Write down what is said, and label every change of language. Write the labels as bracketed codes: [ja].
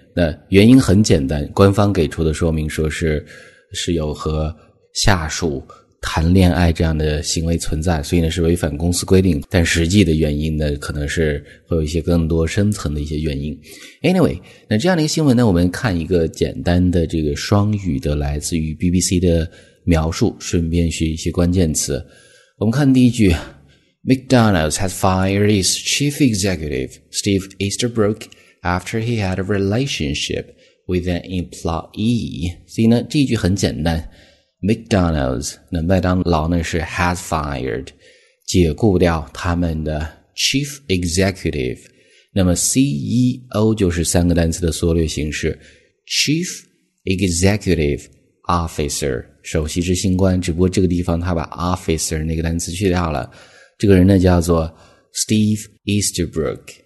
[zh] 那原因很简单，官方给出的说明说是有和下属谈恋爱这样的行为存在，所以呢是违反公司规定，但实际的原因呢可能是会有一些更多深层的一些原因。 Anyway， 那这样的一个新闻呢，我们看一个简单的这个双语的来自于 BBC 的描述，顺便学一些关键词。我们看第一句， [en] McDonald's has fired its chief executive Steve Easterbrook after he had a relationship with an employee。 [zh] 所以呢这一句很简单，McDonald's， 那麦当劳呢是 [en] has fired， [zh] 解雇掉他们的 chief executive， 那么 CEO 就是三个单词的缩略形式， chief executive officer， 首席执行官，只不过这个地方他把 officer 那个单词去掉了，这个人呢叫做 Steve Easterbrook。